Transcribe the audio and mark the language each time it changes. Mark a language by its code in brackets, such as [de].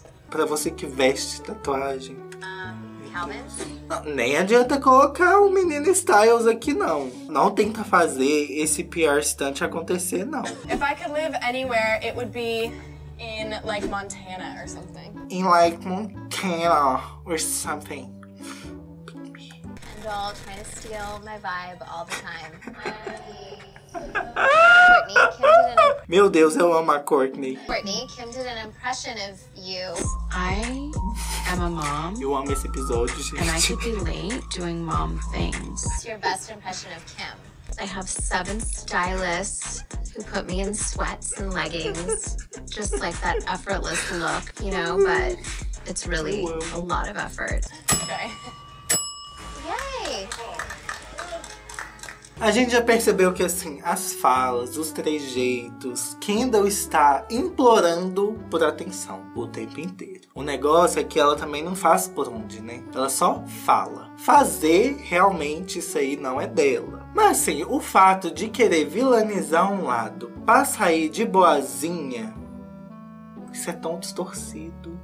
[pt] Pra você que veste tatuagem. Nem adianta colocar o menino Styles aqui, não. Não tenta fazer esse PR stunt acontecer, não. [en] If I could live anywhere, it would be in, like, Montana or something. In, like, Montana or something. And all trying to steal my vibe all the time. Courtney, [pt] meu Deus, eu amo a Courtney. [en] Courtney, Kim did an impression of you. I am a mom. [pt] Eu amo esse episódio, gente. [en] And I could be late doing mom things. What's your best impression of Kim? I have 7 stylists who put me in sweats and leggings. Just like that effortless look, you know, but it's really a lot of effort. Okay. Yay! [pt] A gente já percebeu que, assim, as falas, os trejeitos, Kendall está implorando por atenção o tempo inteiro. O negócio é que ela também não faz por onde, né? Ela só fala. Fazer, realmente, isso aí não é dela. Mas, assim, o fato de querer vilanizar um lado pra sair de boazinha, isso é tão distorcido.